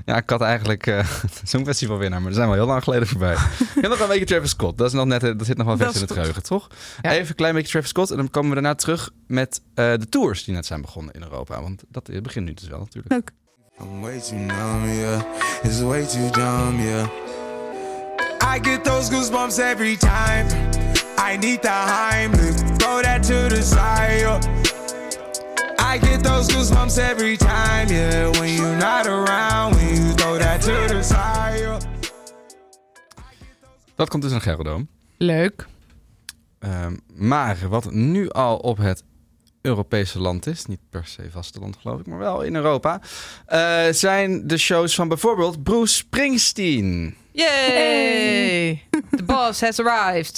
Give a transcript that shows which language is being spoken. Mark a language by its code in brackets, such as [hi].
[nl] Ja, ik had eigenlijk zo'n festival winnaar, maar we zijn wel heel lang geleden voorbij. Ik heb nog een beetje Travis Scott. Dat is nog net, dat zit nog wel vers in het geheugen, toch? Ja. Even een klein beetje Travis Scott en dan komen we daarna terug met de tours die net zijn begonnen in Europa. Want dat begint nu dus wel natuurlijk. Leuk. [en] I'm way too numb, yeah. It's way too dumb, yeah. I get those goosebumps every time. I need the Heimlich. Throw that to the side, yeah. I get those goosebumps every time, yeah, when you're not around, when you throw that to the side. [nl] Dat komt dus in Gelredome. Leuk. Maar wat nu al op het Europese land is, niet per se vasteland geloof ik, maar wel in Europa, zijn de shows van bijvoorbeeld Bruce Springsteen. [en] Yay! Hey. The boss has arrived.